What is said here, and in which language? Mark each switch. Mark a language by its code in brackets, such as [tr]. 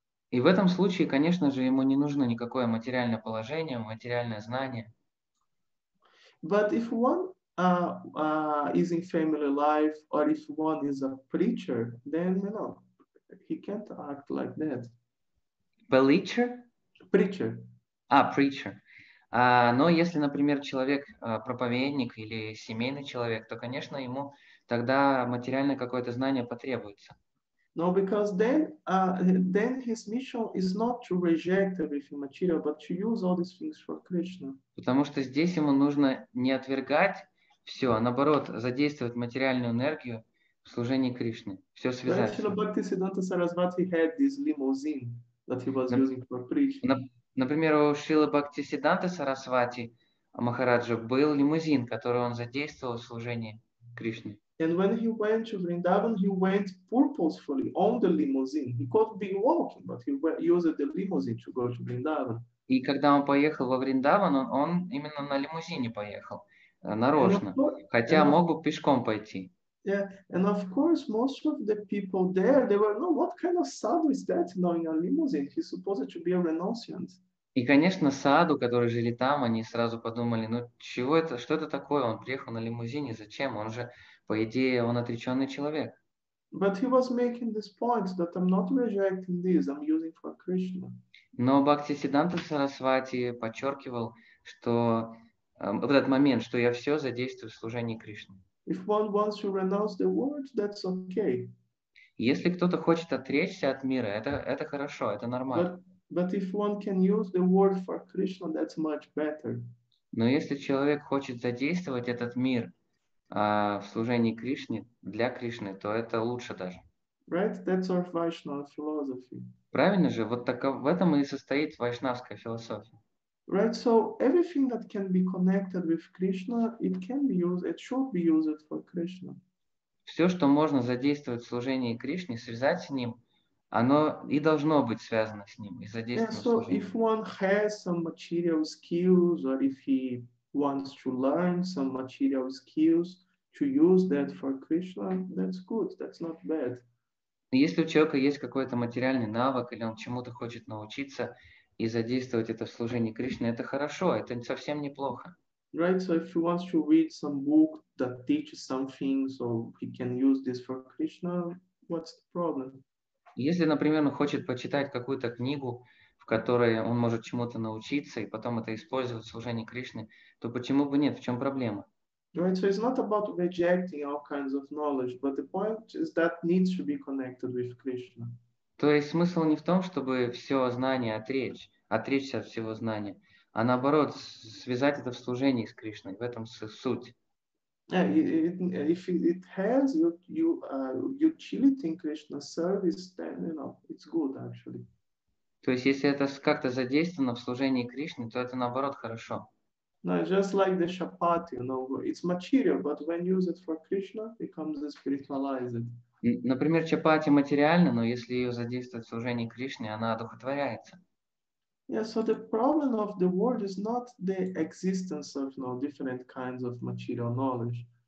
[ru] И в этом случае, конечно же, ему не нужно никакое материальное положение, материальное знание. [en] But if one is in family life or if one is a preacher, then, you know, he can't act like that. Belicher? Preacher. [ru] А, preacher. Но если, например, человек проповедник или семейный человек, то, конечно, ему тогда материальное какое-то знание потребуется. [en] No, because then his mission is not to reject everything material, but to use all these things for Krishna. [ru] Потому что здесь ему нужно не отвергать все, а наоборот, задействовать материальную энергию в служении Кришне. Все связать. [en] Actually, Bhaktisiddhanta Sarasvati had this limousine that he was using for preaching. [ru] Например, у Шрилы Бхактисиддханты Сарасвати Махараджа был лимузин, который он задействовал в служении Кришне. [en] And when he went to Vrindavan, he went purposefully on the limousine. He could be walking, but he used the limousine to go to Vrindavan. [ru] И когда он поехал во Вриндаван, он именно на лимузине поехал, нарочно, хотя мог бы пешком пойти. [en] Yeah, and of course, most of the people there, they were, no, what kind of sadhu is that, you know, in a limousine? He's supposed to be a renunciant. [ru] И, конечно, саду, которые жили там, они сразу подумали, ну, чего это, что это такое? Он приехал на лимузине, зачем? Он же, по идее, он отреченный человек. [en] But he was making this point that I'm not rejecting this, I'm using for Krishna. [ru] Но Бхактисиддханта Сарасвати подчеркивал, что в этот момент, что я все задействую в служении Кришне. [en] If one wants to renounce the world, that's okay. [ru] Если кто-то хочет отречься от мира, это хорошо, это нормально. [en] But if one can use the world for Krishna, that's much better. [ru] Но если человек хочет задействовать этот мир в служении Кришне, для Кришны, то это лучше даже. [en] Right? That's our Vaishnava philosophy. [ru] Правильно же? Вот в этом и состоит вайшнавская философия. [en] Right, so everything that can be connected with Krishna, it can be used, it should be used for Krishna. [ru] Все, что можно задействовать в служении Кришне, связать с ним, оно и должно быть связано с ним и задействовано в служении. [en] So if one has some material skills or if he wants to learn some material skills to use that for Krishna, that's good, that's not bad. [ru] Если у человека есть какой-то материальный навык, или он чему-то хочет научиться и задействовать это в служении Кришне, это хорошо, это совсем неплохо. [en] Right, so if he wants to read some book that teaches something, so he can use this for Krishna, what's the problem? [ru] Если, например, он хочет почитать какую-то книгу, в которой он может чему-то научиться и потом это использовать в служении Кришны, то почему бы нет? В чем проблема? [en] Right, so it's not about rejecting all kinds of knowledge, but the point is that needs to be connected with Krishna. [ru] То есть смысл не в том, чтобы все знание отречься от всего знания, а наоборот, связать это в служении с Кришной. В этом суть. [en] Yeah, if it has you utility in Krishna service, then you know it's good actually. [ru] То есть если это как-то задействовано в служении Кришне, то это наоборот хорошо. [en] No, just like the chapati, you know, it's material, but when used for Krishna, it becomes spiritualized. [ru] Например, чапати материально, но если ее задействовать в служении Кришне, она одухотворяется. [en] Yeah, so the problem of the world is not the existence of, you know, different kinds of material knowledge.